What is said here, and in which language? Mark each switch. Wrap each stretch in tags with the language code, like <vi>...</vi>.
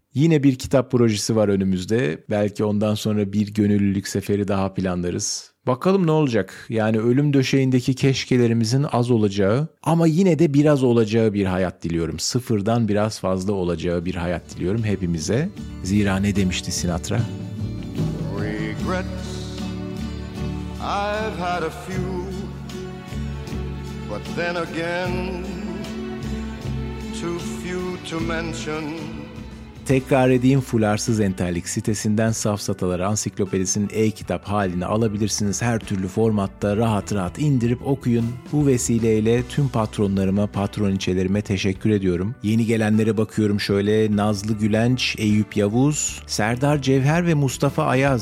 <tr>Yine bir kitap projesi var önümüzde. Belki ondan sonra bir gönüllülük seferi daha planlarız. Bakalım ne olacak? Yani ölüm döşeğindeki keşkelerimizin az olacağı ama yine de biraz olacağı bir hayat diliyorum. Sıfırdan biraz fazla olacağı bir hayat diliyorum hepimize. Zira ne demişti Sinatra?</tr> <en>Regrets, I've had a few, but then again, too few to mention.</en> <tr>Tekrar edeyim, Fularsız Entellik sitesinden Safsatalar Ansiklopedisi'nin e-kitap halini alabilirsiniz. Her türlü formatta rahat rahat indirip okuyun. Bu vesileyle tüm patronlarıma, patroniçelerime teşekkür ediyorum. Yeni gelenlere bakıyorum şöyle: Nazlı Gülenç, Eyüp Yavuz, Serdar Cevher ve Mustafa Ayaz.</tr>